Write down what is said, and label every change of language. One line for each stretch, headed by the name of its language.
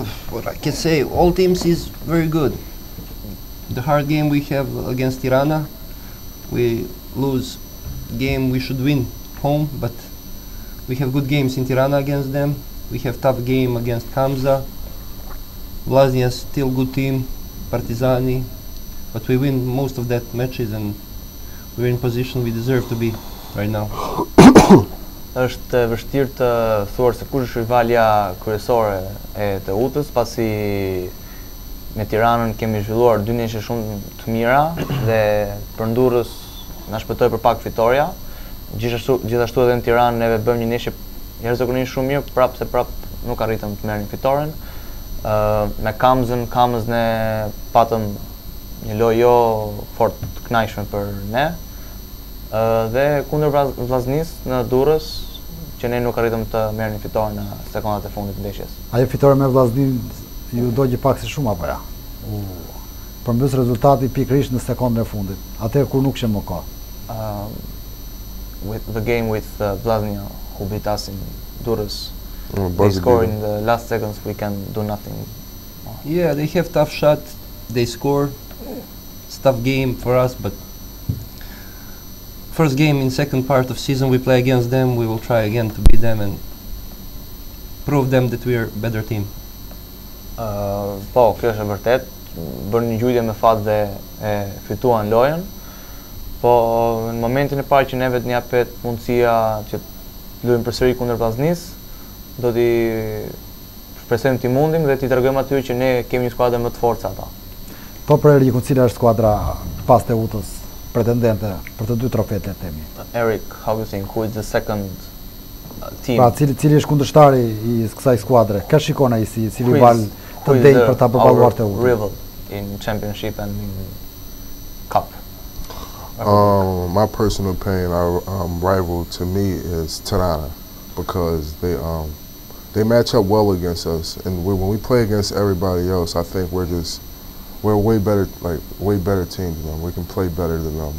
English: What I can say, all teams is very good. The hard game we have against Tirana, we lose game we should win home, but we have good games in Tirana against them. We have tough game against Hamza. Vlaznia is still good team, Partizani, but we win most of that matches and we're in position we deserve to be right now.
Albanian: Është vështirë të thuar se kush është rivalja kryesore e Teutës, pasi me Tiranën kemi zhvilluar dy ndeshje shumë të mira dhe përndurrës na shpëtoi për pak fitoria. Gjithashtu edhe në Tiranë neve bëmë një ndeshje jashtëzakonisht shumë mirë, prapë nuk arritëm të merrnim fitoren. Me Kamzën ne patëm një lojë jo fort të kënaqshme për ne. Dhe kundër Vllaznis në Durrës që ne nuk arritëm të merrnim fitore në sekondat e fundit të ndeshjes. Ajo fitore me Vllaznin ju dogje pak si shumë apo jo? Përmbys rezultati pikërisht në sekondën e fundit, atë kur nuk ishte më kohë.
English: With the game with Vllaznia who beat us in Durrës. They score in the last seconds, we can do nothing more. Yeah, they have tough shot, they score. It's tough game for us, but first game in second part of season we play against them, we will try again to beat them and prove them that we are a better team.
Albanian: Po, kjo është vërtet, bërë një gjujtje me fatë dhe e fituan lojën, po në momentin e parë që neve të njapet mundësia që të lujmë përsëri kundër Vllaznis, do t'i shpresojmë t'i mundim dhe t'i tregojmë aty që ne kemi një skuadër më të fortë se ata. Po për Erikun, cila është skuadra pas Teutës pretendente për të dy trofet le të themi?
English: Erik, how do you think, who is the second team?
Albanian: Pra, cili është kundërshtari i kësaj skuadre? Ka shikon ai si si rival të denj për ta përballuar Teutën?
English: Our rival in championship and in cup. My personal opinion, our rival to me is Tirana, because they match up well against us, and when we play against everybody else, I think we're way better, like way better team than them. We can play better than them.